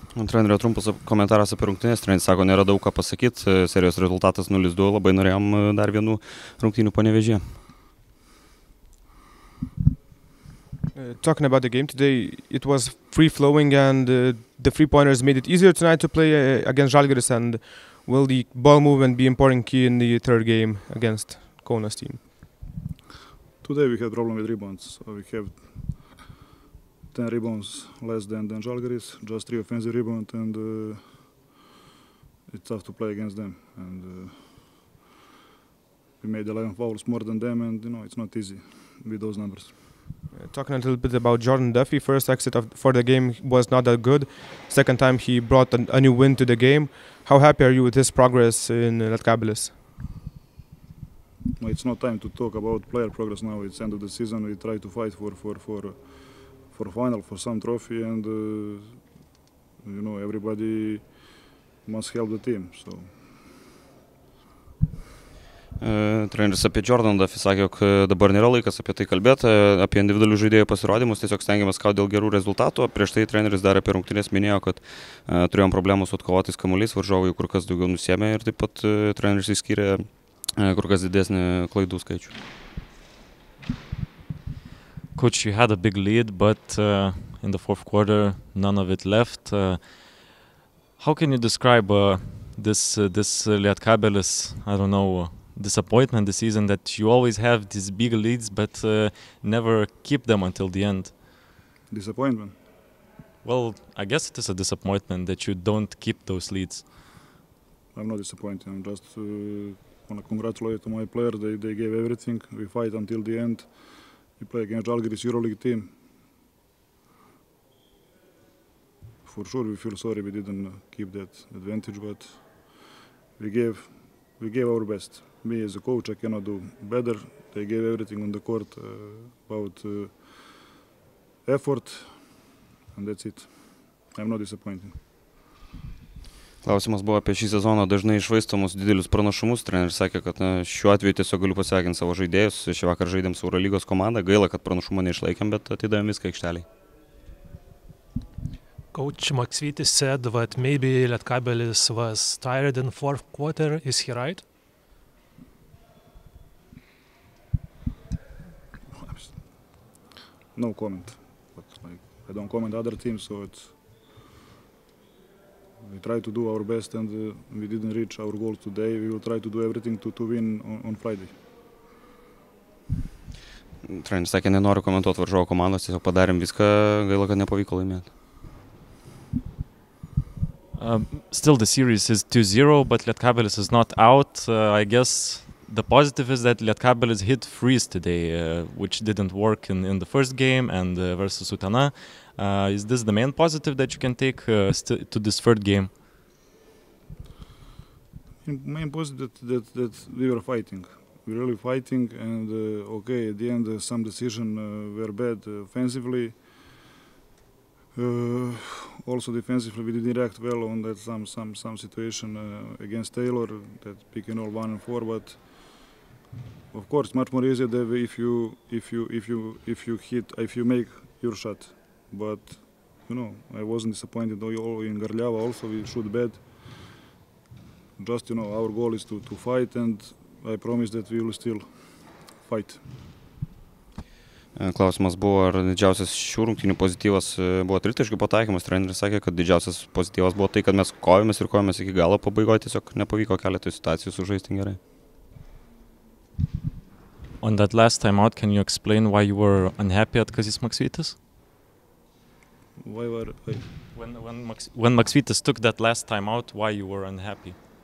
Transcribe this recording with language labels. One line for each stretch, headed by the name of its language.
Lithuanian: Trenerio, trumpas komentaras apie rungtynės. Treneris sako, nėra daug ką pasakyti. Serijos rezultatas 0-2. Labai norėjom dar vienų rungtynių Panevėžyje.
English: Talking about the game today, it was free-flowing and the three-pointers made it easier tonight to play against Žalgiris, and will the ball movement be important key in the third game against Kaunas team? Today we had problem with rebounds. So we have 10 rebounds less than Žalgiris, just 3 offensive rebounds, and it's tough to play against them. And we made 11 fouls more than them, and you know, it's not easy with those numbers. Talking a little bit about Jordan Duffy, first exit for the game was not that good. Second time he brought a new win to the game. How happy are you with his progress in Lietkabelis? It's not time to talk about player progress now. It's end of the season. We try to fight for final, for some trophy, and you know, everybody must help the team. So.
Lithuanian: Treneris apie Jordan Duffy sakė, jog dabar nėra laikas apie tai kalbėti, apie individualių žaidėjų pasirodymus, tiesiog stengiamas kaut dėl gerų rezultatų. Prieš tai treneris dar apie rungtynės minėjo, kad turėjom problemų su atkovotais kamuoliais, varžovai kur kas daugiau nusiemė ir taip pat treneris išskyrė kur kas didesnį klaidų skaičių.
English: Coach, you had a big lead, but in the fourth quarter none of it left. How can you describe this Lietkabelis, I don't know, disappointment this season that you always have these big leads but never keep them until the end? Disappointment? Well, I guess it is a disappointment that you don't keep those leads. I'm not disappointed. I'm just want to congratulate my players. They gave everything. We fight until the end. We play against Žalgiris EuroLeague team. For sure we feel sorry we didn't keep that advantage, but we gave our best. Me as a coach, I cannot do better. They gave everything on the court about effort, and that's it. I'm not disappointed.
Lithuanian: Klausimas buvo apie šį sezoną dažnai išvaistomus didelius pranašumus. Treneris sakė, kad šiuo atveju tiesiog galiu pasveikinti savo žaidėjus. Šį vakar žaidėm su EuroLeague komanda. Gaila, kad pranašumą neišlaikėm, bet atidavėm viską aikštelėj.
English: Coach Maksvytis said that maybe Lietkabelis was tired in fourth quarter. Is he right? No comment, but like, I don't comment other teams, so it's, we try to do our best and we didn't reach our goal today. We will try to do everything to win on Friday.
Lithuanian: Treneris sakė, nenoriu komentuoti varžovų komandos, tiesiog padarėm viską, gaila, kad nepavyko laimėti.
English: Still the series is 2-0, but Lietkabelis is not out. I guess the positive is that Lietkabelis hit threes today, which didn't work in the first game and versus Utena. Is this the main positive that you can take to this third game? Main positive that we were fighting. We really fighting, and okay, at the end some decisions were bad offensively. Also defensively we didn't react well on that some situation against Taylor, that pick and roll 1-4, but of course, much more easier than if you make your shot. But you know, I wasn't disappointed. All in Garliava also we shoot bad. Just you know, our goal is to fight, and I promise that we will still fight.
Lithuanian: Klausimas buvo, ar didžiausias šių rungtynių pozityvas buvo tritaškių pataikymas. Treneris sakė, kad didžiausias pozityvas buvo tai, kad mes kovėmės ir kovėmės iki galo, pabaigoje tiesiog nepavyko keletą situacijų sužaisti gerai.
English: On that last time out, can you explain why you were unhappy at Kazis Maksvytis? Why were I? When Maksvytis took that last time out, why you were unhappy?